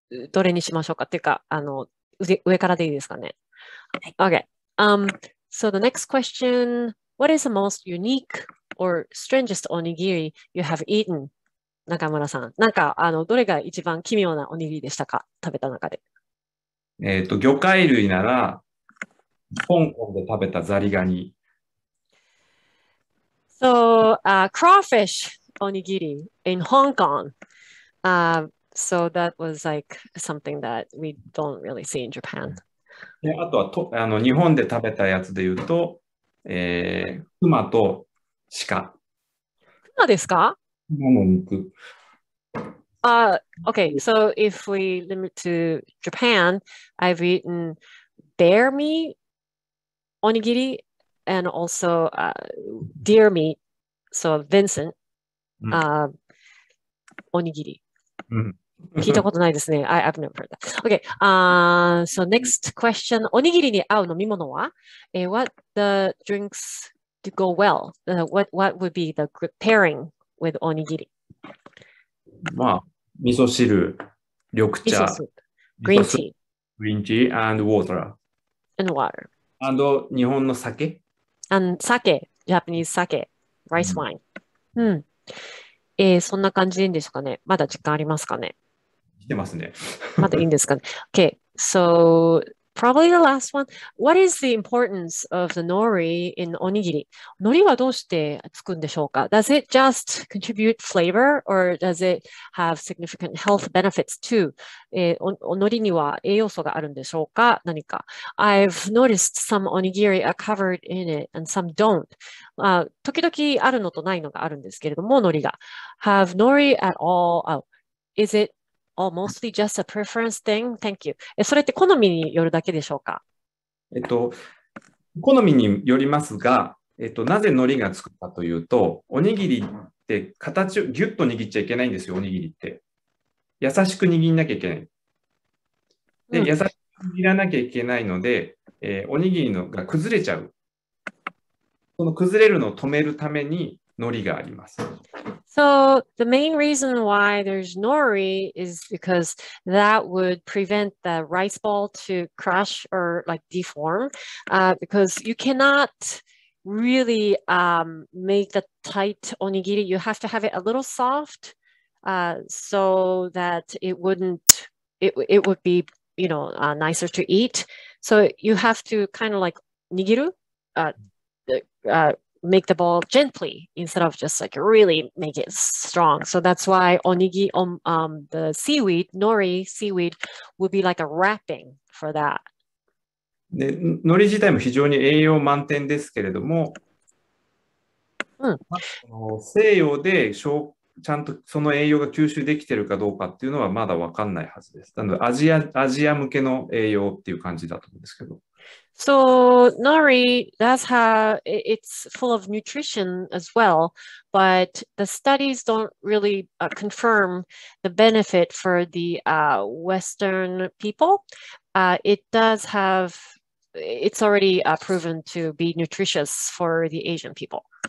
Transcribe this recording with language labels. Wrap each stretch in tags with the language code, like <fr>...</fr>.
<ja>どれにしましょうかっていうか、あの、上からでいいですかね。はい、</ja> <en>okay. So the next question, what is the most unique or strangest onigiri you have eaten?</en> <ja>中村さん、なんか、あの、どれが一番奇妙なおにぎりでしたか、食べた中で。魚介類なら、香港で食べたザリガニ。</ja> <en>So, crawfish onigiri in Hong Kong. So that was like something that we don't really see in Japan.</en> <ja>であとはとあの日本で食べたやつで言うと、クマとシカ。クマですか？クマの肉。</ja> <en>Okay, so if we limit to Japan, I've eaten bear meat, onigiri, and also deer meat, so Vincent, onigiri.</en> <ja>聞いたことないですね。</ja> <en>I've never heard that. Okay, so next question.</en> <ja>Onigiri に合う飲み物は?</ja> <en>What the drinks to go well? What would be the pairing with onigiri?</en> <ja>まあ、味噌汁、緑茶、</ja> <en>green tea. Green tea and water. And water. And</en> <ja>日本の酒?</ja> <en>And sake, Japanese sake, rice wine.</en> <ja>そんな感じでいいんですかね。まだ時間ありますかね。してますね。まだいいんですかね。</ja> <en>Okay, so probably the last one. What is the importance of the nori in onigiri?</en> <ja>Nori はどうしてつくんでしょうか?</ja> <en>Does it just contribute flavor or does it have significant health benefits too?</en> <ja>Nori には栄養素があるんでしょうか?何か?</ja> <en>I've noticed some onigiri are covered in it and some don't.</en> <ja>時々あるのとないのがあるんですけれども、のりが。</ja> <en>Have nori at all? Is itAll mostly just a preference thing. Thank you.</en> <ja>それって好みによるだけでしょうか。好みによりますが、なぜ海苔がつくかというと、おにぎりって形をギュッと握っちゃいけないんですよ。おにぎりって優しく握らなきゃいけない。で、優しく握らなきゃいけないので、おにぎりのが崩れちゃう。その崩れるのを止めるために。 Nori があります。</ja> <en>So the main reason why there's nori is because that would prevent the rice ball to crush or like deform, because you cannot really make the tight onigiri. You have to have it a little soft, so that it wouldn't it would be you know nicer to eat. So you have to kind of like nigiru. Make the ball gently instead of just like really make it strong. So that's why the seaweed, nori seaweed, would be like a wrapping for that.</en> <ja>Nori 自体も非常に栄養満点ですけれども、西洋でちゃんとその栄養が吸収できているかどうかっていうのはまだ分かんないはずです。なのでアジア向けの栄養っていう感じだと思うんですけど。</ja> <en>So nori, that's how it's full of nutrition as well, but the studies don't really confirm the benefit for the Western people. It does have, it's already proven to be nutritious for the Asian people.</en>